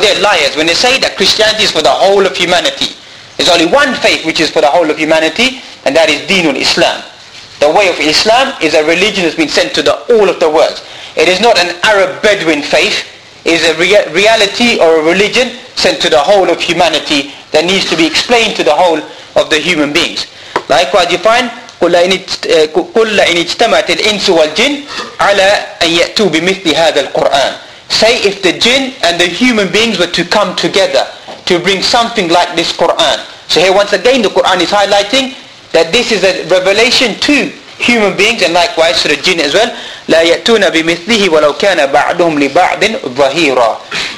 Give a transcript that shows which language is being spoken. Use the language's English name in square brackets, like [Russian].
[English] They're liars when they say that Christianity is for the whole of humanity. There's only one faith which is for the whole of humanity, and that is Deenul Islam. The way of Islam is a religion that's been sent to the all of the world. It is not an Arab Bedouin faith. It is a reality or a religion sent to the whole of humanity that needs to be explained to the whole of the human beings. [Arabic] Likewise, you find قُلَّ إِنِ اجْتَمَعَتِ الْإِنْسُ وَالْجِنِ عَلَىٰ أَنْ يَأْتُوا بِمِثْلِ هَذَا الْقُرْآنِ. [English] Say, if the jinn and the human beings were to come together to bring something like this Qur'an. So here once again the Qur'an is highlighting that this is a revelation to human beings and likewise to the jinn as well. [Arabic] لَا يَأْتُونَ بِمِثْلِهِ وَلَوْ كَانَ بَعْدُهُمْ لِبَعْدٍ ظَهِيرًا.